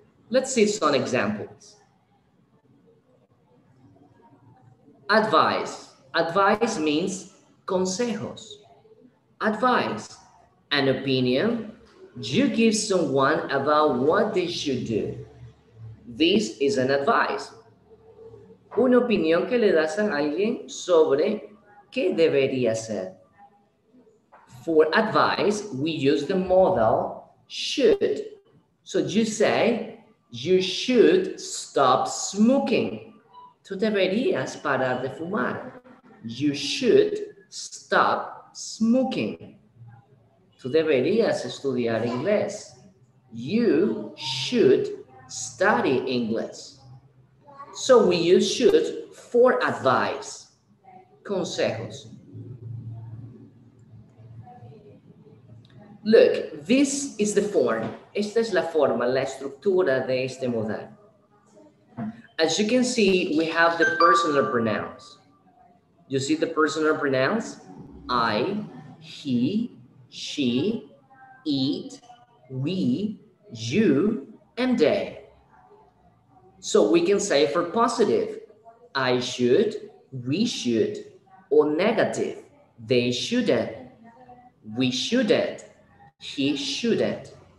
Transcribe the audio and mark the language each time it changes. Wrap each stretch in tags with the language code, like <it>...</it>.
<en>Let's see some examples. Advice. Advice means consejos. Advice, an opinion you give someone about what they should do. This is an advice.</en> <es>Una opinión que le das a alguien sobre qué debería ser.</es> <en>For advice, we use the model should. So you say, you should stop smoking.</en> <es>Tú deberías parar de fumar.</es> <en>You should stop smoking.</en> <es>Tú deberías estudiar inglés.</es> <en>You should study English. So we use should for advice. Consejos. Look, this is the form.</en> <es>Esta es la forma, la estructura de este modal.</es> <en>As you can see, we have the personal pronouns. You see the personal pronouns? I, he, she, it, we, you, and they. So we can say for positive, I should, we should, or negative, they shouldn't, we shouldn't, he shouldn't.</en>